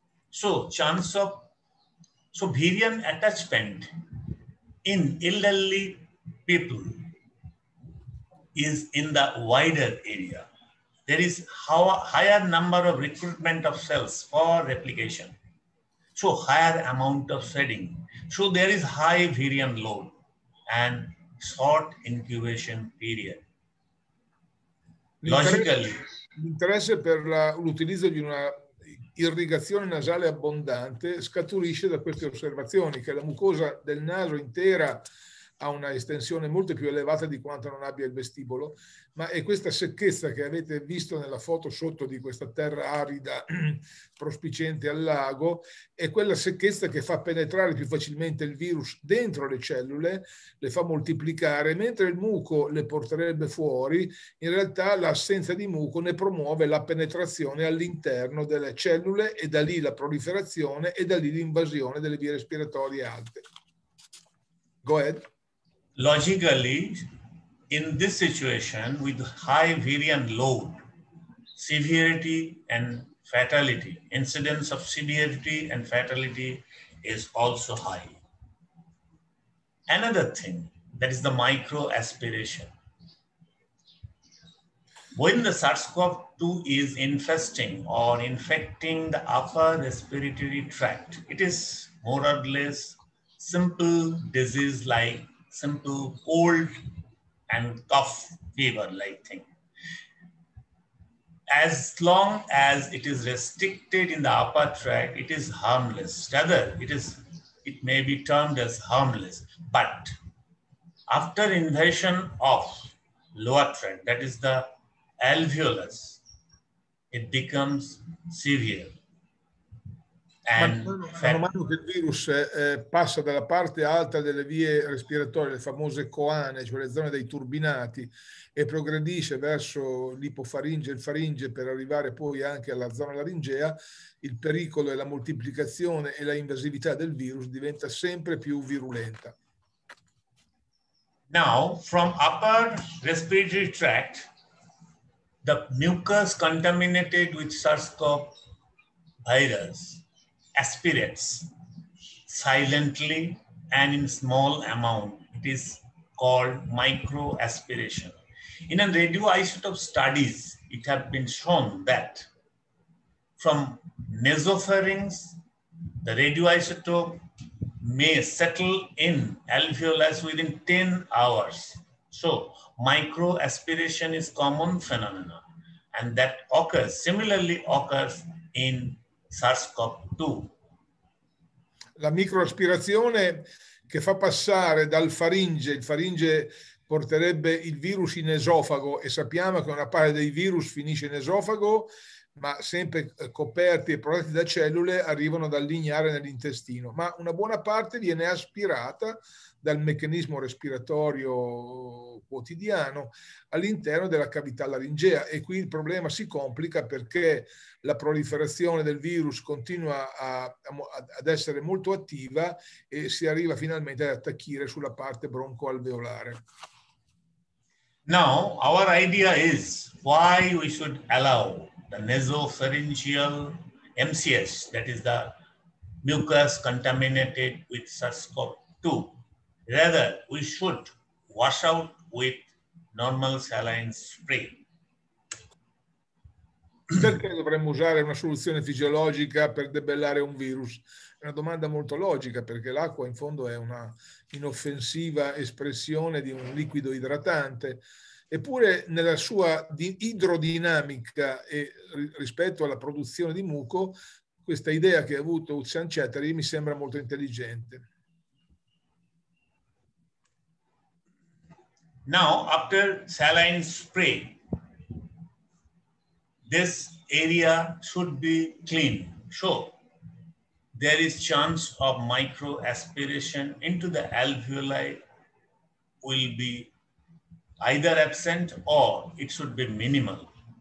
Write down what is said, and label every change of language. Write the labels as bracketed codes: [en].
[en] So chance of virion attachment in elderly people is in the wider area. There is higher number of recruitment of cells for replication. So higher amount of shedding. So there is high virion load and short incubation period. Logically. [it] L'interesse per l'utilizzo di una irrigazione nasale abbondante scaturisce da queste osservazioni, che la mucosa del naso intera ha una estensione molto più elevata di quanto non abbia il vestibolo, ma è questa secchezza che avete visto nella foto sotto di questa terra arida prospiciente al lago, è quella secchezza che fa penetrare più facilmente il virus dentro le cellule, le fa moltiplicare, mentre il muco le porterebbe fuori, in realtà l'assenza di muco ne promuove la penetrazione all'interno delle cellule e da lì la proliferazione e da lì l'invasione delle vie respiratorie alte. [en] Go ahead. Logically, in this situation with high virion load, severity and fatality, incidence of severity and fatality is also high. Another thing, that is the micro aspiration. When the SARS-CoV-2 is infesting or infecting the upper respiratory tract, it is more or less simple disease like simple cold and cough fever like thing. As long as it is restricted in the upper tract, it is harmless. Rather, it may be termed as harmless. But after invasion of lower tract, that is the alveolus, it becomes severe. [it] Man mano che il virus passa dalla parte alta delle vie respiratorie, le famose coane, cioè le zone dei turbinati, e progredisce verso l'ipofaringe e il faringe per arrivare poi anche alla zona laringea, il pericolo e la moltiplicazione e la invasività del virus diventa sempre più virulenta. [en] Now, from upper respiratory tract, the mucus contaminated with SARS-CoV virus aspirates silently and in small amount. It is called micro aspiration. In a radioisotope studies, it has been shown that from nasopharynx, the radioisotope may settle in alveolus within 10 hours. So micro aspiration is common phenomena, and that occurs in SARS-CoV-2. [it] La microaspirazione che fa passare dal faringe, il faringe porterebbe il virus in esofago, e sappiamo che una parte dei virus finisce in esofago, ma sempre coperti e protetti da cellule arrivano ad allignare nell'intestino. Ma una buona parte viene aspirata dal meccanismo respiratorio quotidiano all'interno della cavità laringea, e qui il problema si complica perché la proliferazione del virus continua ad essere molto attiva e si arriva finalmente ad attacchire sulla parte broncoalveolare. [en] Now, our idea is why we should allow the nasopharyngeal MCS, that is the mucus contaminated with SARS-CoV-2. Rather, we should wash out with normal saline spray. [it] perché dovremmo usare una soluzione fisiologica per debellare un virus? È una domanda molto logica, perché l'acqua in fondo è una inoffensiva espressione di un liquido idratante. Eppure nella sua idrodinamica e rispetto alla produzione di muco, questa idea che ha avuto U S Chatterjee mi sembra molto intelligente. [en] Now, after saline spray, this area should be clean. So, there is chance of micro aspiration into the alveoli will be either absent or it should be minimal.